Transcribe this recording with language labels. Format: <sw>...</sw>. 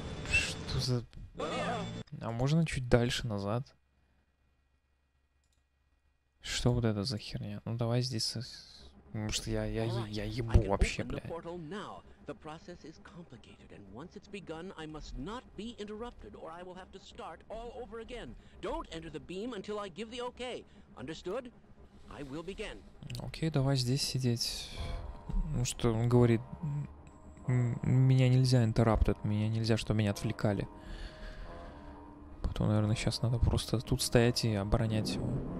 <ru>Что за... А можно чуть дальше назад? Что вот это за херня? Ну давай здесь... Потому что я ебу вообще, блядь.</ru> <en>Процесс is complicated, and once it's begun, I must not be interrupted, or I will have to start all over again. Don't enter the beam until I give the okay. Understood? I will begin.</en> <ru>Окей, давай здесь сидеть. Ну что он говорит? Меня нельзя interrupted, меня нельзя, чтобы меня отвлекали. Потом, наверное, сейчас надо просто тут стоять и оборонять его.</ru>